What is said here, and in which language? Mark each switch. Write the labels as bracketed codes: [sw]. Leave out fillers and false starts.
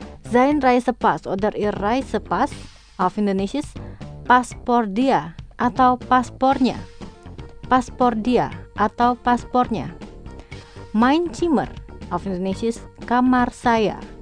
[de] Sein Reisepass oder Ihr Reisepass, auf Indonesisch [id] Paspor dia atau Paspornya. Paspor dia atau Paspornya. [de] Mein Zimmer, auf Indonesisch [id] Kamar saya.